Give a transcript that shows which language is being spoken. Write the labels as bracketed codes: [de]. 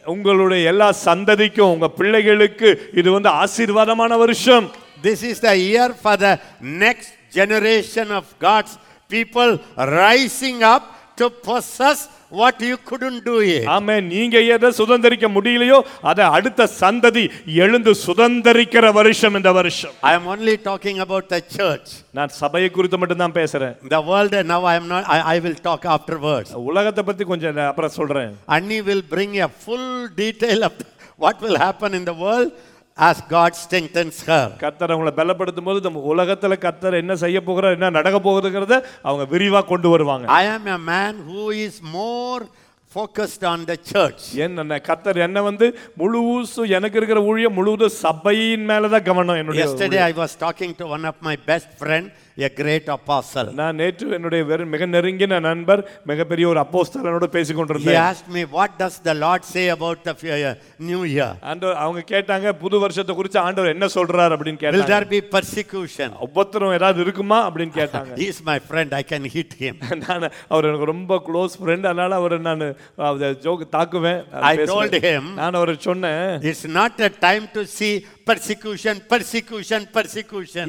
[ta] உங்களுடைய எல்லா சந்ததிக்கும் உங்க பிள்ளைகளுக்கு இது வந்து ஆசீர்வாதமான வருஷம். [en] This is the year for the next generation of God's people rising up to possess what you couldn't do yet. Amen. [ta] நீங்க எதை சுதந்திரிக்க முடியலையோ அதை அடுத்த சந்ததி எழுந்து சுதந்திரிக்கிற வருஷம் இந்த வருஷம். [en] I am only talking about the church. [ta] நான் சபையை குறித்து மட்டும்தான் பேசுறேன். [en] The world now I am not I will talk afterwards. [ta] உலகத்தை பத்தி கொஞ்சம் அப்புறம் சொல்றேன். [en] Annie will bring a full detail of what will happen in the world as God strengthens her. [ta] கர்த்தர் அவங்களை பலப்படுத்தும் போது நம்ம உலகத்துல கர்த்தர் என்ன செய்ய போகிறார், என்ன நடக்க போகுதுங்கிறத அவங்க விரிவா கொண்டு வருவாங்க. [en] I am a man who is more focused on the church. [ta] என்ன கர்த்தர் என்ன வந்து முழுவது எனக்கு இருக்கிற ஊழியம் முழுவதும் சபையின் மேலதான் கவனம் என்னுடைய. [en] Yesterday I was talking to one of my best friend, a great apostle. [ta] நான் நேற்று என்னுடைய வெறும் மிக நெருங்கிய நண்பர் மிகப்பெரிய ஒரு அப்போஸ்தலனோடு பேசிக் கொண்டிருந்தேன். [en] He asked me, what does the Lord say about the new year? [ta] ஆண்டவர் அவங்க கேட்டாங்க புது வருஷத்தை குறித்து ஆண்டவர் என்ன சொல்றார் அப்படின்னு கேட்டாங்க. [en] Will there be persecution? [ta] உபத்திரவம் ஏதாவது இருக்குமா அப்படின்னு கேட்டாங்க. [en] He is my friend, I can hit him. [ta] நான் அவர் எனக்கு ரொம்ப க்ளோஸ் ஃப்ரெண்ட், அதனால அவரை நான் ஜோக் தாக்குவேன். [en] I told him, [ta] நான் அவரை சொன்னேன், [en] it's not a time to see persecution.